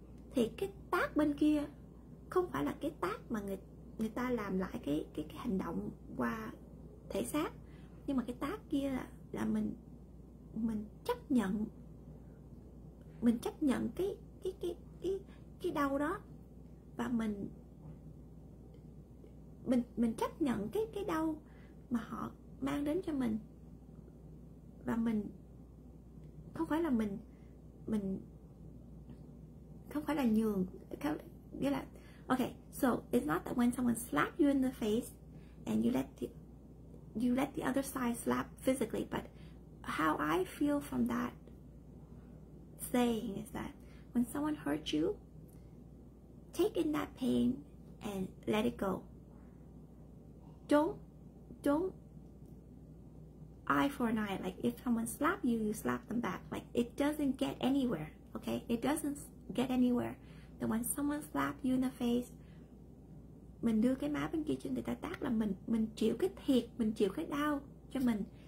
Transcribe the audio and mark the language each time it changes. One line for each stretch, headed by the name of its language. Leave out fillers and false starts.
Vietnamese: Thì cái tát bên kia không phải là cái tát mà người ta làm lại cái hành động qua thể xác, nhưng mà cái tát kia là mình chấp nhận cái đau đó, và mình chấp nhận cái đau mà họ mang đến cho mình, và mình không phải là nhường. Nghĩa là
English: okay, so it's not that when someone slaps you in the face and you let the other side slap physically, but how I feel from that saying is that when someone hurts you, take in that pain and let it go. Don't eye for an eye. Like if someone slap you, you slap them back. Like it doesn't get anywhere, okay? It doesn't get anywhere. Then when someone slap you in the face,
Vietnamese: mình đưa cái má bên kia cho người ta tát là mình chịu cái thiệt, mình chịu cái đau cho mình.